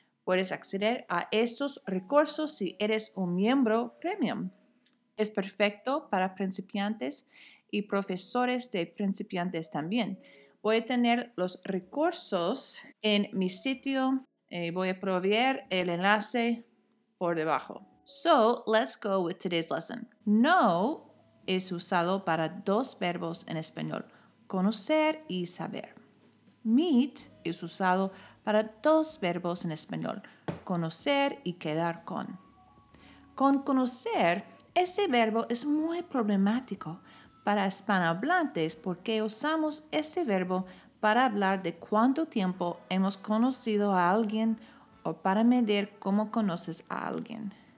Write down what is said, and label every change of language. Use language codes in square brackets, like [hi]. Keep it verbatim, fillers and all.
[es] Puedes acceder a estos recursos si eres un miembro premium. Es perfecto para principiantes y profesores de principiantes también. Voy a tener los recursos en mi sitio y voy a proveer el enlace por debajo. [en] So, let's go with today's lesson. [es] Know es usado para dos verbos en español: conocer y saber. Meet es usado para dos verbos en español: conocer y quedar con. Con conocer, este verbo es muy problemático para hispanohablantes porque usamos este verbo para hablar de cuánto tiempo hemos conocido a alguien o para medir cómo conoces a alguien.